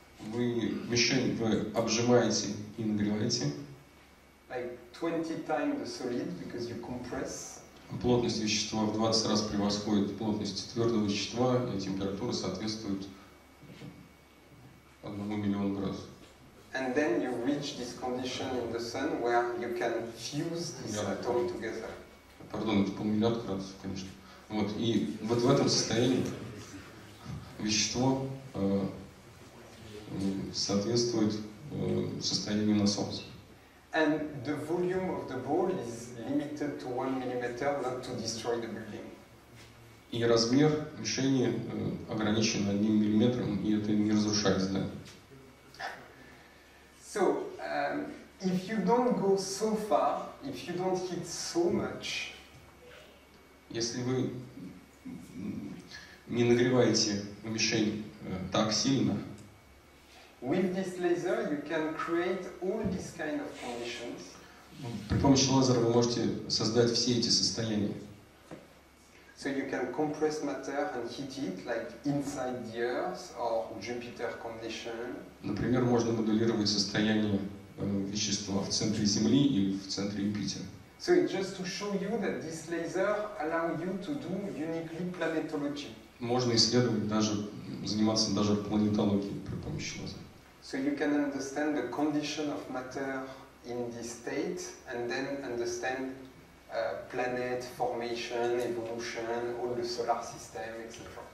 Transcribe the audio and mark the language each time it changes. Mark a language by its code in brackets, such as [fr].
[ru] Вы мишень вы обжимаете и нагреваете. [en] Like 20 times the solid because you compress. [ru] Плотность вещества в 20 раз превосходит плотность твердого вещества, и температура соответствует 1 миллиону градусов. [en] And then you reach this condition in the sun where you can fuse this atom together. [ru] Pardon, это полмиллиард градусов, конечно. Вот, и вот в этом состоянии вещество соответствует состоянию на Солнце. [en] And the volume of the ball is limited to 1 millimeter, not to destroy the building. [ru] И размер мишени ограничен 1 миллиметром, и это не разрушает здание. [en] So, if you don't go so far, if you don't hit so much, [ru] если вы не нагреваете мишень так сильно, [en] with this laser you can create all these kind of conditions. [ru] При помощи лазера вы можете создать все эти состояния. [en] So you can compress matter and heat it like inside the Earth or Jupiter condition. [ru] Например, можно моделировать состояние вещества в центре Земли или в центре Юпитера. [en] So it's just to show you that this laser allow you to do uniquely planetology. [ru] Можно исследовать даже заниматься даже планетологией при помощи лазера. [en] So you can understand the condition of matter in this state and then understand planet formation, evolution, all the solar system, etc.